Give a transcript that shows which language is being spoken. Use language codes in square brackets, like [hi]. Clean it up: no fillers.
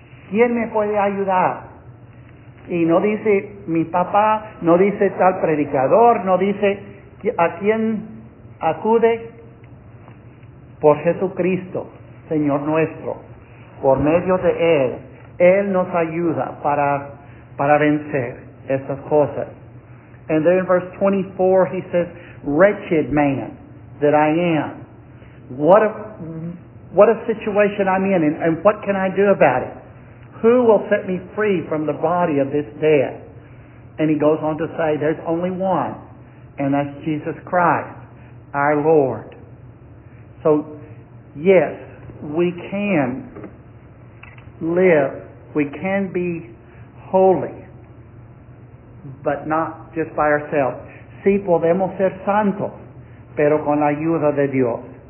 [es] ¿Quién me puede ayudar? Y no dice mi papá, no dice tal predicador, no dice a quién acude. Por Jesucristo, Señor nuestro, por medio de Él. Él nos ayuda para vencer estas cosas. [en] And then in verse 24 he says, wretched man that I am. What a situation I'm in, and what can I do about it? Who will set me free from the body of this death? And he goes on to say, there's only one, and that's Jesus Christ, our Lord. So, yes, we can live. We can be holy, but not just by ourselves. [es] Sí, podemos ser santos, pero con la ayuda de Dios.